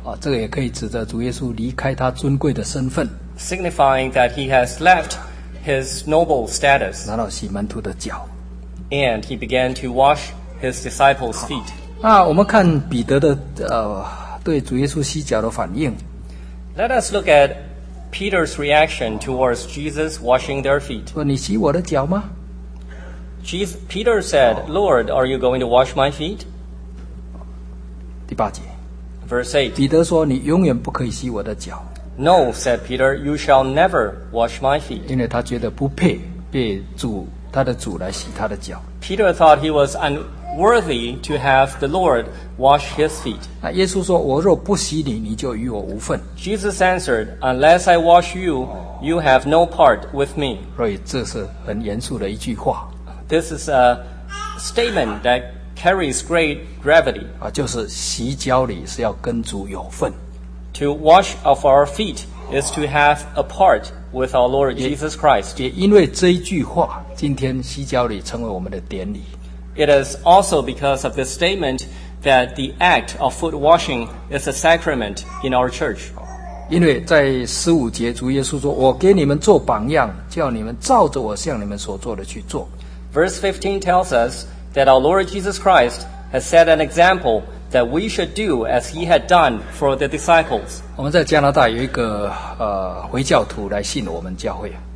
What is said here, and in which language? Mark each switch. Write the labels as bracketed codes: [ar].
[zh] 这个也可以指着主耶稣离开他尊贵的身份。 [en] Signifying that he has left his noble status. [zh] 然后洗门徒的脚。 [en] And he began to wash his disciples' feet. [zh] 我们看彼得的对主耶稣洗脚的反应。 [en] Let us look at Peter's reaction towards Jesus washing their feet. [zh] 说你洗我的脚吗？ [en] Peter said, Lord, are you going to wash my feet? [zh] 第八节。 [en] Verse 8. [zh] 彼得说你永远不可以洗我的脚。 [en] No, said Peter, you shall never wash my feet. [zh] 因为他觉得不配被主他的主来洗他的脚。 [en] Peter thought he was worthy to have the Lord wash his feet. [zh] 耶稣说我若不洗你，你就与我无份。 [en] Jesus answered, unless I wash you, you have no part with me. [zh] 所以这是很严肃的一句话。 [en] This is a statement that carries great gravity. [zh] 就是洗脚礼是要跟主有份。 [en] To wash of our feet is to have a part with our Lord Jesus Christ. [zh] 也因为这一句话，今天西郊里成为我们的典礼。 [en] It is also because of this statement that the act of foot washing is a sacrament in our church. [zh] 因为在十五节，主耶稣说：“我给你们做榜样，叫你们照着我向你们所做的去做。” [en] Verse 15 tells us that our Lord Jesus Christ has set an example that we should do as he had done for the disciples. [zh] 我们在加拿大有一个回教徒来信我们教会。